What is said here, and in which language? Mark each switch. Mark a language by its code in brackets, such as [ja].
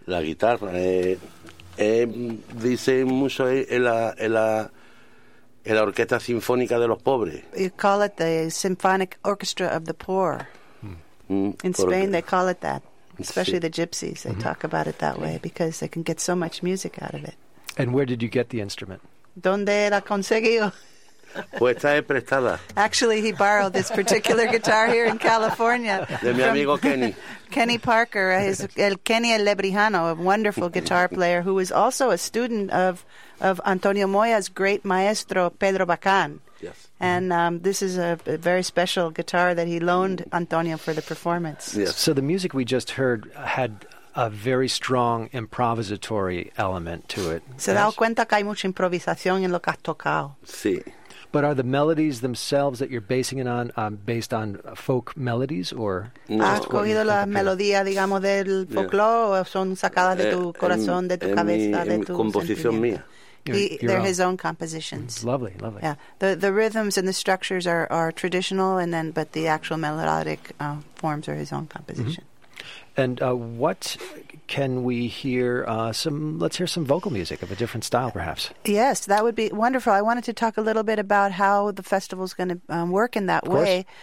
[es] La guitarra, dice mucho en la orquesta sinfónica de los pobres. [en] You call it the symphonic orchestra of the poor. In Spain, they call it that. Especially the gypsies, they talk about it that way because they can get so much music out of it. And where did you get the instrument? [es] ¿Dónde la conseguí? Pues esta es prestada. [en] Actually, he borrowed this particular guitar here in California. [es] De mi amigo Kenny. [en] Kenny Parker, el Kenny el Lebrijano, a wonderful guitar player who was also a student of Antonio Moya's great maestro, Pedro Bacán. And this is a very special guitar that he loaned Antonio for the performance. Yes. So the music we just heard had a very strong improvisatory element to it. [es] Se dado cuenta que hay mucha improvisación en lo que has tocado. Sí. [en] But are the melodies themselves that you're basing it on based on folk melodies or? [es] No. ¿Has cogido la melodía, digamos, del folclore o son sacadas de tu corazón, de tu cabeza, de tu composición mía. [en] They're his own compositions. Lovely, lovely. Yeah, the rhythms and the structures are traditional, and then but the actual melodic forms are his own composition. Mm-hmm. And what can we hear? Let's hear some vocal music of a different style, perhaps. Yes, that would be wonderful. I wanted to talk a little bit about how the festival is going to work in that way.